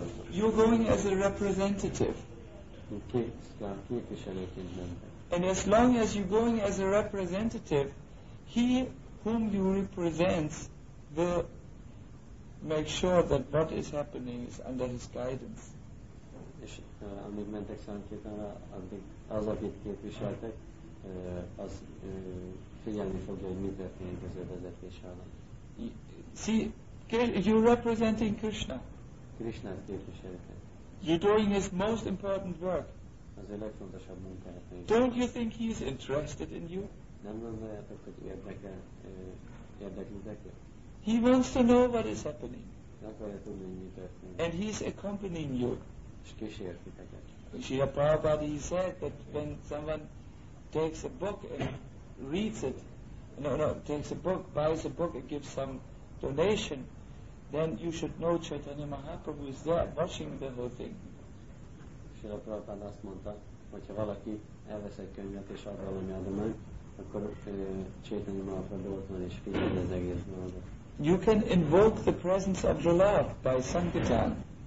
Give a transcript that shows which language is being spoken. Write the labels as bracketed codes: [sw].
[en] You're going as a representative. And as long as you're going as a representative, he whom you represent will make sure that what is happening is under his guidance. [hu] És amíg mentek Sankirtanra, addig az, akit képviseltek, az figyelni fogja, hogy mi történik az ő vezetése alatt. [en] See, you're representing Krishna. [hu] Krishnát képviseltek. [en] You're doing his most important work. [hu] Az ő legfontosabb munkáját. [en] Don't you think he is interested in you? [hu] Nem gondoljátok, hogy érdeklődek. [en] He wants to know what is happening. [hu] Nem akarja tudni, hogy mi történik. [en] And he's accompanying you. [hu] És kísértiteket. [en] Srila Prabhupada, he said that when someone takes a book and reads it, takes a book, buys a book and gives some donation, then you should know Chaitanya Mahaprabhu is there watching the whole thing. [hu] Srila Prabhupada azt mondta, hogyha valaki elvesz egy könyvet és ad valami adomány, akkor Chaitanya Mahaprabhu ott van és figyel az egész dolgot. [en] You can invoke the presence of the Lord by Sankirtan.